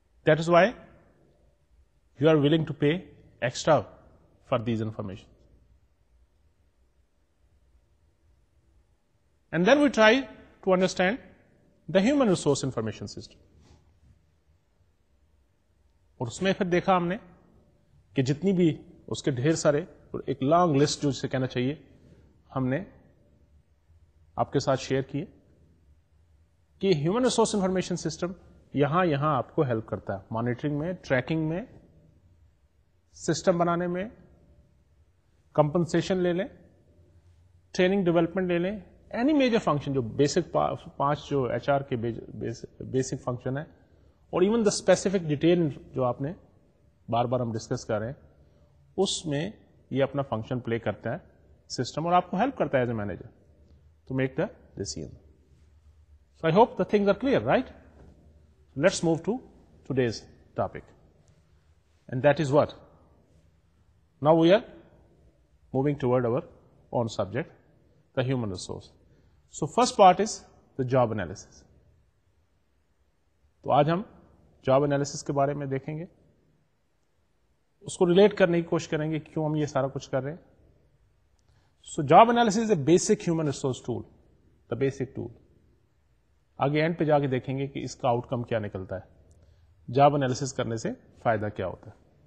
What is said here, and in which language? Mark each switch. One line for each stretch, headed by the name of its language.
English: That is why you are willing to pay extra for these information. And then we try to understand the human resource information system.
Urdu: اور اس میں پھر دیکھا ہم نے کہ جتنی بھی اس کے ڈھیر سارے, اور ایک لانگ لسٹ جو اسے کہنا چاہیے, ہم نے آپ کے ساتھ شیئر کیے کہ ہیومن ریسورس انفارمیشن سسٹم یہاں آپ کو ہیلپ کرتا ہے مانیٹرنگ میں, ٹریکنگ میں, سسٹم بنانے میں, کمپنسیشن لے لیں, ٹریننگ ڈیولپمنٹ لے لیں,
English: any major function,
Urdu: جو بیسک پانچ جو ایچ آر کے بیسک فنکشن ہے, اور
English: even the specific detail
Urdu: جو آپ نے بار بار ہم ڈسکس کر رہے ہیں, اس میں یہ اپنا فنکشن پلے کرتا ہے سسٹم, اور آپ کو ہیلپ کرتا ہے
English: As a manager to make the decision. So I hope the things are clear, right? Let's move to today's topic, and that is what. Now we are moving toward our own subject, the human resource. So first part is the job analysis.
Urdu: تو آج ہم job analysis کے بارے میں دیکھیں گے, اس کو relate کرنے کی کوشش کریں گے کیوں ہم یہ سارا کچھ کر رہے ہیں.
English: So job analysis a basic human resource tool, the basic tool.
Urdu: آگے اینڈ پہ جا کے دیکھیں گے کہ اس کا آؤٹ کم کیا نکلتا ہے, جاب انالیسز کرنے سے فائدہ کیا ہوتا ہے.